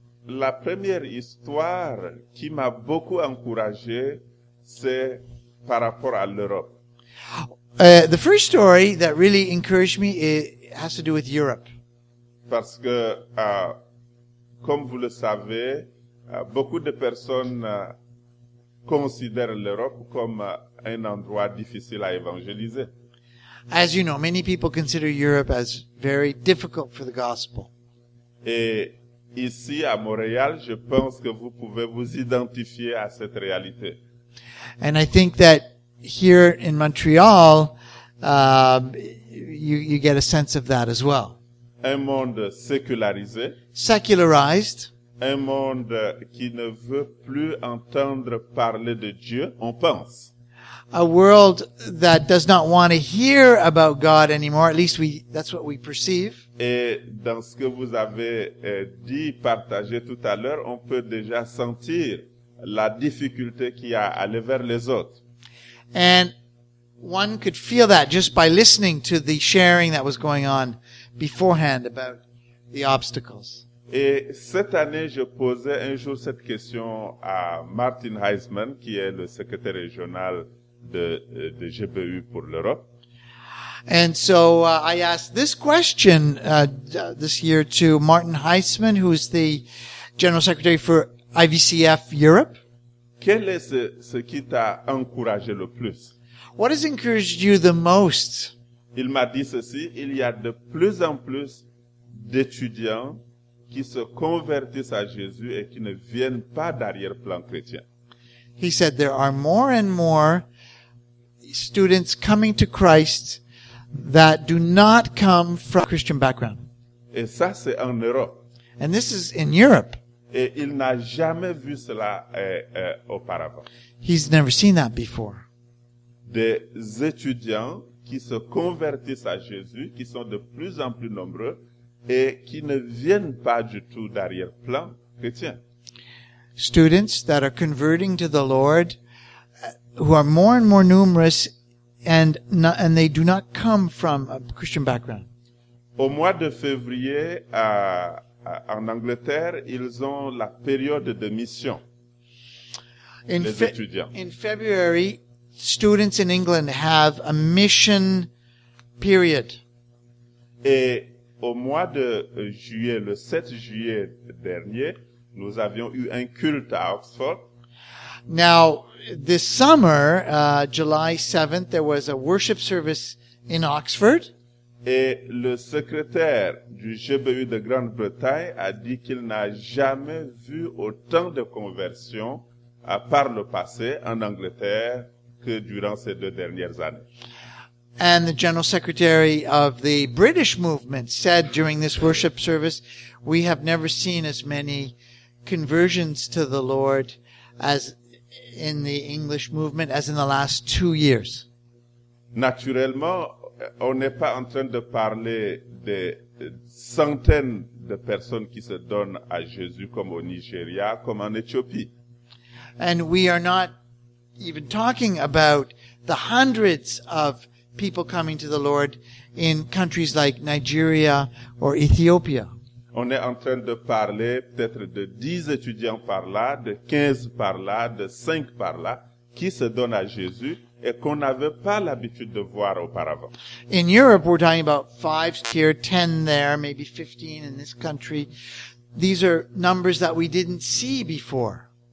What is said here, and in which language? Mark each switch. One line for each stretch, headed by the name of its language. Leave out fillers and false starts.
French: La première histoire qui m'a beaucoup encouragé, c'est par rapport à l'Europe.
English: The first story that really encouraged me has to do with Europe.
French: Parce que, comme vous le savez, beaucoup de personnes considèrent l'Europe comme un endroit difficile à évangéliser.
English: As you know, many people consider Europe as very difficult for the gospel.
French: Et ici, à Montréal, je pense que vous pouvez vous identifier à cette réalité.
English: And I think that here in Montreal, you get a sense of that as well.
French: Un monde sécularisé.
English: Secularized.
French: Un monde qui ne veut plus entendre parler de Dieu, on pense.
English: A world that does not want to hear about God anymore, at least that's what we perceive.
French: Et dans ce que vous avez dit, partagé tout à l'heure, on peut déjà sentir la difficulté qu'il y a à aller vers les autres.
English: And one could feel that just by listening to the sharing that was going on beforehand about the obstacles.
French: Et cette année, je posais un jour cette question à Martin Heisman, qui est le secrétaire régional de GBU pour l'Europe.
English: And so I asked this question this year to Martin Heisman, who is the general secretary for IVCF Europe.
French: Quel est ce qui t'a encouragé le plus?
English: What has encouraged you the most?
French: Il m'a dit ceci, il y a de plus en plus d'étudiants qui se convertissent à Jésus et qui ne viennent pas d'arrière-plan chrétien.
English: He said there are more and more students coming to Christ that do not come from a Christian background.
French: Et ça, c'est en Europe.
English: And this is in Europe.
French: Et il n'a jamais vu cela auparavant.
English: He's never seen that before.
French: Des étudiants qui se convertissent à Jésus, qui sont de plus en plus nombreux, et qui ne viennent pas du tout d'arrière-plan chrétien.
English: Students that are converting to the Lord, who are more and more numerous, and they do not come from a Christian background.
French: Au mois de février, en Angleterre, ils ont la période de mission.
English: In February, students in England have a mission period.
French: Et au mois de juillet, le 7 juillet dernier, nous avions eu un culte à Oxford.
English: Now, this summer, July 7th, there was a worship service in Oxford.
French: Et le secrétaire du GBU de Grande-Bretagne a dit qu'il n'a jamais vu autant de conversions à part le passé en Angleterre que durant ces deux dernières années.
English: And the general secretary of the British movement said during this worship service, we have never seen as many conversions to the Lord as in the English movement as in the last 2 years.
French: Naturellement, on n'est pas en train de parler des centaines de personnes qui se donnent à Jésus comme au Nigeria, comme en Éthiopie.
English: And we are not even talking about the hundreds of people coming to the Lord in countries like Nigeria or Ethiopia.
French: On est en train de parler peut-être de 10 étudiants par là, de 15 par là, de 5 par là, qui se donnent à Jésus et qu'on n'avait pas l'habitude de voir auparavant.
English: In Europe, we're talking about 5 here, 10 there, maybe 15 in this country. These are numbers that we didn't see before.